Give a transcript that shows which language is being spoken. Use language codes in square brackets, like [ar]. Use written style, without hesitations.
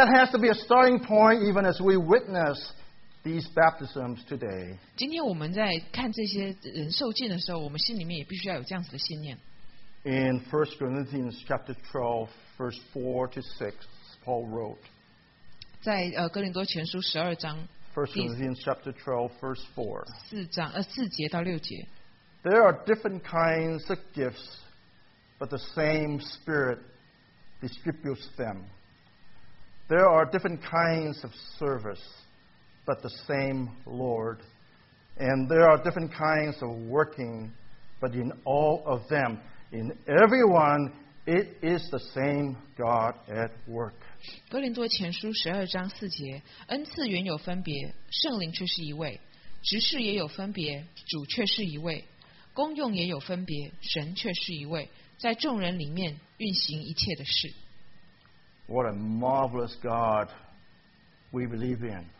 [en] That has to be a starting point, even as we witness these baptisms today. [zh] 今天我们在看这些人受浸的时候，我们心里面也必须要有这样子的信念。 [en] In 1 Corinthians chapter 12, verse 4 to 6, Paul wrote. [zh] 在哥林多前书十二章。 [en] 4:4-6. There are different kinds of gifts, but the same Spirit distributes them. There are different kinds of service, but the same Lord. And there are different kinds of working, but in all of them, in everyone, it is the same God at work. [zh] 哥林多前书十二章四节，恩赐原有分别，圣灵却是一位，执事也有分别，主却是一位，功用也有分别，神却是一位，在众人里面运行一切的事。 [en] What a marvelous God we believe in.